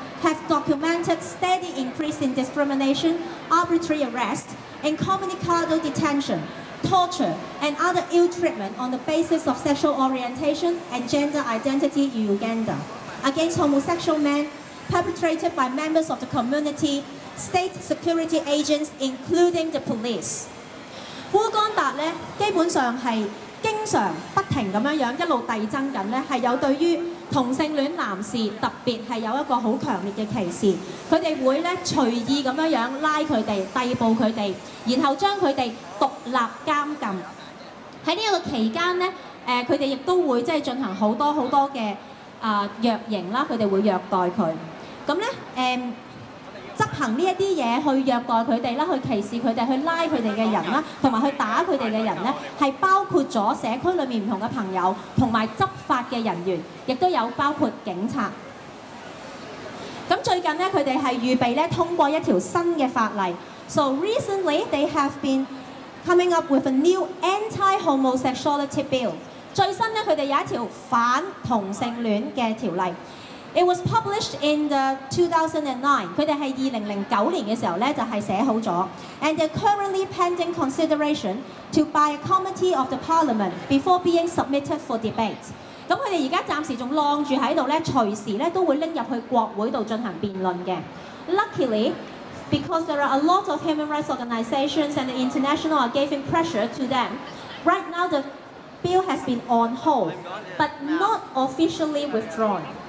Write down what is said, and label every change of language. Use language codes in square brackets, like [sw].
[en] Have documented steady increase in discrimination, arbitrary arrest, incommunicado detention, torture, and other ill treatment on the basis of sexual orientation and gender identity in Uganda against homosexual men perpetrated by members of the community, state security agents, including the police. [yue] 烏干達咧，基本上係經常不停咁樣樣一路遞增緊咧，係有對於同性戀男士特別係有一個好強烈嘅歧視，佢哋會咧隨意咁樣樣拉佢哋、逮捕佢哋，然後將佢哋獨立監禁。喺呢一個期間咧，佢哋亦都會即係進行好多好多嘅虐刑啦，佢哋會虐待佢。咁咧執行呢一啲嘢去虐待佢哋啦，去歧視佢哋、去拉佢哋嘅人啦，同埋去打佢哋嘅人咧，係包括咗社區裏面唔同嘅朋友，同埋執法嘅人員，亦都有包括警察。咁最近咧，佢哋係預備咧通過一條新嘅法例。 [en] So recently they have been coming up with a new anti-homosexuality bill。 [yue] 最新咧，佢哋有一條反同性戀嘅條例。 [en] It was published in the 2009. [yue] 佢哋係2009年嘅時候咧，就係寫好咗。 [en] And they're currently pending consideration to by a committee of the parliament before being submitted for debate. [yue] 咁佢哋而家暫時仲晾住喺度咧，隨時咧都會拎入去國會度進行辯論嘅。 [en] Luckily, because there are a lot of human rights organisations and the international are giving pressure to them, right now the bill has been on hold, but not officially withdrawn.